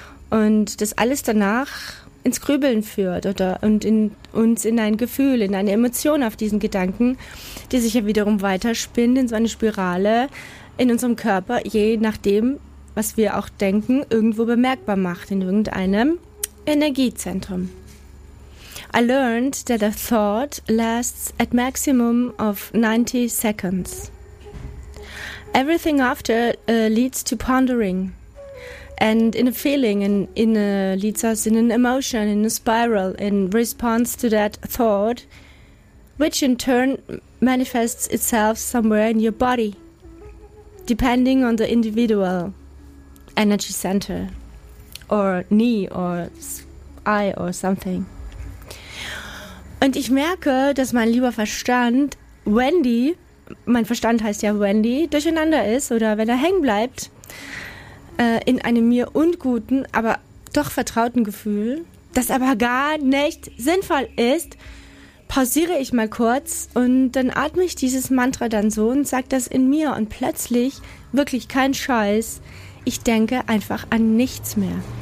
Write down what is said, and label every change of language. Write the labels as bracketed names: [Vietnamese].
[German] Und dass alles danach ins Grübeln führt oder und in uns in ein Gefühl, in eine Emotion auf diesen Gedanken, die sich ja wiederum weiterspinnt in so eine Spirale in unserem Körper, je nachdem, was wir auch denken, irgendwo bemerkbar macht, in irgendeinem Energiezentrum. [English] I learned that a thought lasts at maximum of 90 seconds. Everything after leads to pondering. And in a feeling, leads us in an emotion, in a spiral, in response to that thought, which in turn manifests itself somewhere in your body, depending on the individual energy center, or knee, or eye, or something. [German] Und ich merke, dass mein lieber Verstand, Wendy, mein Verstand heißt ja Wendy, durcheinander ist, oder wenn er hängen bleibt, in einem mir unguten, aber doch vertrauten Gefühl, das aber gar nicht sinnvoll ist, pausiere ich mal kurz und dann atme ich dieses Mantra dann so und sage das in mir und plötzlich, wirklich kein Scheiß, ich denke einfach an nichts mehr.